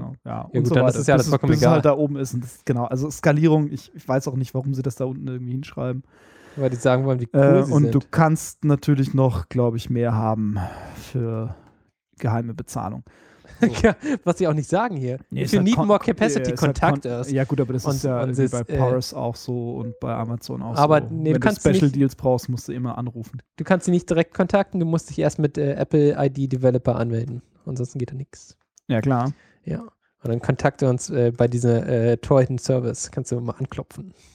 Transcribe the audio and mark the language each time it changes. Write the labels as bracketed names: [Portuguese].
[German] Genau. Ja, ja und gut, so dann weiter. Ist es ja alles vollkommen egal. Bis es halt da oben ist. Und das, genau, also Skalierung, ich weiß auch nicht, warum sie das da unten irgendwie hinschreiben. Weil die sagen wollen, wie cool sie sind. Und du kannst natürlich noch, glaube ich, mehr haben für geheime Bezahlung. So. Was sie auch nicht sagen hier. Nee, [English] if you need more capacity, contact us. [German] Ja gut, aber das ist ja bei Paris auch so und bei Amazon auch aber, so. Nee, wenn du Special nicht, Deals brauchst, musst du immer anrufen. Du kannst sie nicht direkt kontakten, du musst dich erst mit Apple ID Developer anmelden. Ansonsten geht da nichts. Ja, klar. Ja. Und dann kontakte uns bei dieser Torhüter Service. Kannst du mal anklopfen.